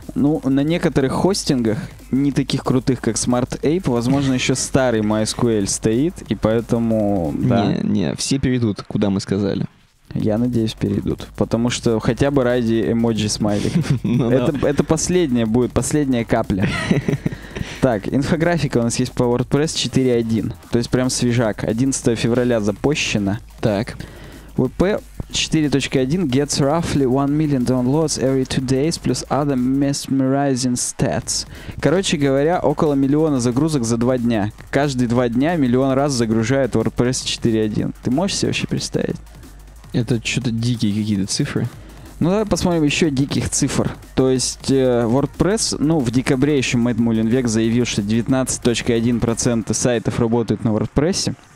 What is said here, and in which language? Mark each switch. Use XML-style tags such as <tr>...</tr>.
<ru>Ну, на некоторых хостингах, не таких крутых, как SmartApe, возможно, еще старый MySQL стоит, и поэтому, да. Не, все перейдут, куда мы сказали. Я надеюсь, перейдут. Потому что хотя бы ради эмоджи-смайликов. Это последняя будет, последняя капля. Так, инфографика у нас есть по WordPress 4.1. То есть прям свежак. 11 февраля запущено. Так.</ru> <en>WP 4.1 gets roughly 1 million downloads every 2 days plus other mesmerizing stats.</en> <ru>Короче говоря, около миллиона загрузок за 2 дня. Каждые 2 дня миллион раз загружает WordPress 4.1. Ты можешь себе вообще представить? Это что-то дикие какие-то цифры. Ну давай посмотрим еще диких цифр. То есть WordPress, ну в декабре еще Мэтт Мулинвек заявил, что 19.1% сайтов работают на WordPress.</ru>